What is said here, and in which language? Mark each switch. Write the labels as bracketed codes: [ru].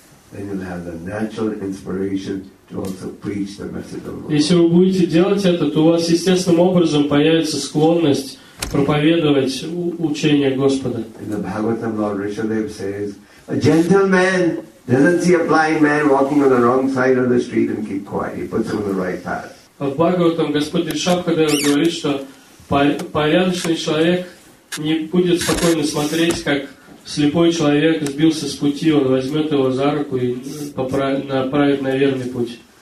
[en] And you'll have the natural inspiration to also preach the message of God. [ru] Если вы будете делать это, то у вас естественным образом появится склонность проповедовать учение Господа. [en] In the Bhagavatam, Lord Rishadeva says, a gentleman doesn't see a blind man walking on the wrong side of the street and keep quiet. He puts him on the right path. [ru] В Бхагаватам Господь Ришабхадева говорит, что порядочный человек не будет спокойно смотреть, как слепой человек сбился с пути, он возьмет его за руку и направит на верный путь.